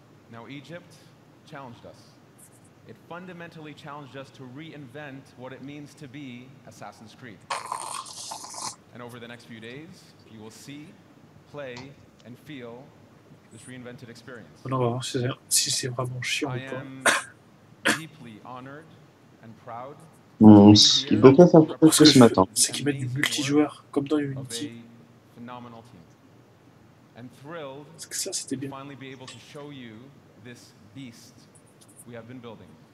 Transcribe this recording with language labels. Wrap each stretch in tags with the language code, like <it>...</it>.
<en>Now, Egypt challenged us. It fundamentally challenged us to reinvent what it means to be Assassin's Creed. And over the next few days, you will see, play, and feel this reinvented experience.</en> <fr>On va voir si c'est vraiment chiant ou pas.</fr> <en>I am deeply honored and proud.</en> <fr>Il peut pas faire plus que ce matin. C'est qu'ils mettent du multijoueur comme dans Unity.</fr> <en>Phenomenal team. And thrilled to finally be able to show you this beast we have been building.</en>